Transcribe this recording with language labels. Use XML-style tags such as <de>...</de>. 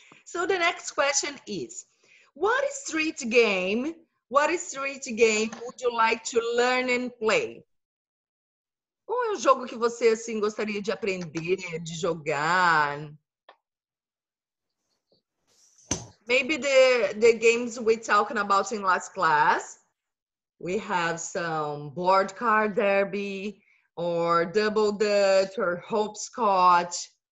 <en>So the next question is, What street game would you like to learn and play?</en> <pt>Qual é o jogo que você, assim, gostaria de aprender, de jogar?</pt> <en>Maybe the games we're talking about in last class. We have some board card derby, or double dutch, or hopscotch.</en>